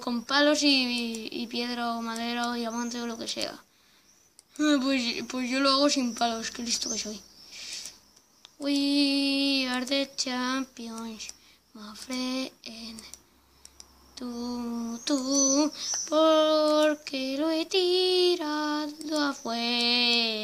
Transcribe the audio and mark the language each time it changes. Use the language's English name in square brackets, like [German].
[Spanish] ¿Con palos y piedra o madera o diamante o lo que sea? Pues yo lo hago sin palos, qué listo que soy. [English] We are the champions, my friend. [Spanish] tú, porque lo he tirado afuera.